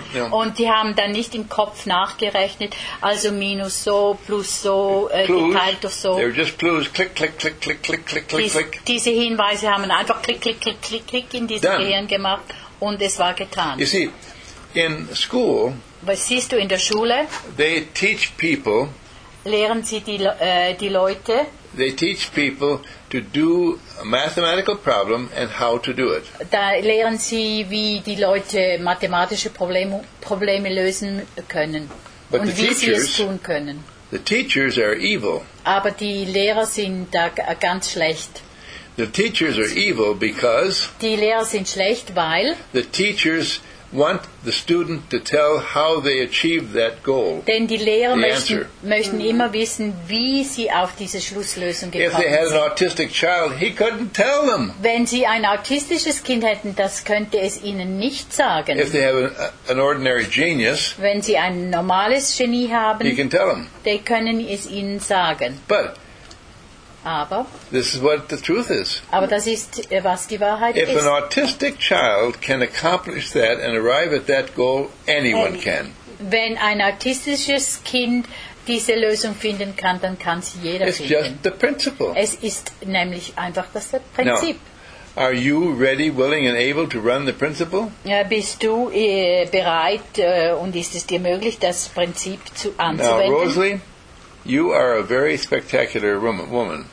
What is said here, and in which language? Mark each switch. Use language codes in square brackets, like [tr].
[de] und die haben dann nicht im Kopf nachgerechnet, also minus so, plus so, geteilt durch so. [en] They were just clues, click, click, click, click, click, click, click. [de] Diese Hinweise haben einfach click, click, click, click, click in diesem Gehirn gemacht und es war getan. [en] You see, in school, [de] was siehst du in der Schule, [en] they teach people, [de] lehren sie die Leute, [en] they teach people to do a mathematical problem and how to do it. [de] Da lehren sie, wie die Leute mathematische Probleme lösen können [en] but [de] und wie [en] teachers, [de] sie es tun können. [en] The teachers are evil. [de] Aber die Lehrer sind da ganz schlecht. [en] The teachers are evil because [de] die Lehrer sind schlecht, weil [en] the teachers want the student to tell how they achieve that goal. [de] Denn die Lehrer möchten immer wissen, wie sie auf diese Schlusslösung gekommen sind. [en] If they had an autistic child, he couldn't tell them. [de] Wenn sie ein autistisches Kind hätten, das könnte es ihnen nicht sagen. [en] If they have an ordinary genius, [de] wenn sie ein normales Genie haben, [en] he can tell them. [de] They können es ihnen sagen. [en] But [de] aber [en] this is what the truth is. [de] Aber das ist, was die Wahrheit [en] if [de] ist. [en] An autistic child can accomplish that and arrive at that goal, anyone can. [de] Wenn ein autistisches Kind diese Lösung finden kann, dann kann sie jeder [en] it's [de] finden. [en] Just the principle. [de] Es ist nämlich einfach das Prinzip. [en] Now, are you ready, willing and able to run the principle? [de] Ja, bist du bereit und ist es dir möglich, das Prinzip anzuwenden? [en] Now, Rosalie, you are a very spectacular woman.